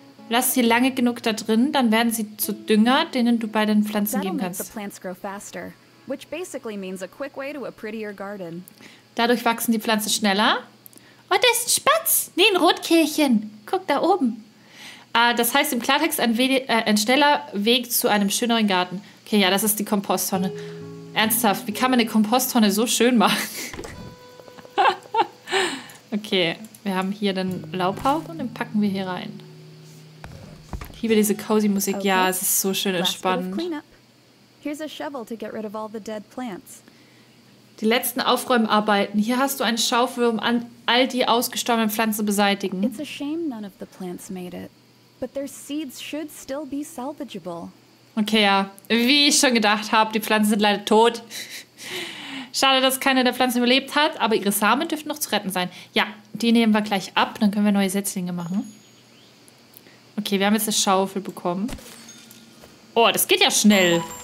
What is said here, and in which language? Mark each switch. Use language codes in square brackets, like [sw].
[de] Lass sie lange genug da drin, dann werden sie zu Dünger, denen du bei den Pflanzen geben kannst. [en] Which basically means a quick way to a prettier garden. [de] Dadurch wachsen die Pflanzen schneller. Oh, das ist ein Spatz. Nee, ein Rotkehlchen. Guck da oben. Das heißt im Klartext ein schneller Weg zu einem schöneren Garten. Okay, ja, das ist die Komposttonne. Ernsthaft, wie kann man eine Komposttonne so schön machen? Okay, wir haben hier den Laubhaufen und den packen wir hier rein. Ich liebe diese cozy Musik. Okay. Ja, es ist so schön entspannend. [en] Here's a shovel to get rid of all the dead plants. [de] Die letzten Aufräumarbeiten. Hier hast du einen Schaufel, um all die ausgestorbenen Pflanzen zu beseitigen. [en] It's a shame none of the plants made it, but their seeds should still be salvageable. [de] Okay, ja. Wie ich schon gedacht habe, die Pflanzen sind leider tot. Schade, dass keine der Pflanzen überlebt hat, aber ihre Samen dürften noch zu retten sein. Ja, die nehmen wir gleich ab, dann können wir neue Setzlinge machen. Okay, wir haben jetzt eine Schaufel bekommen. Oh, das geht ja schnell.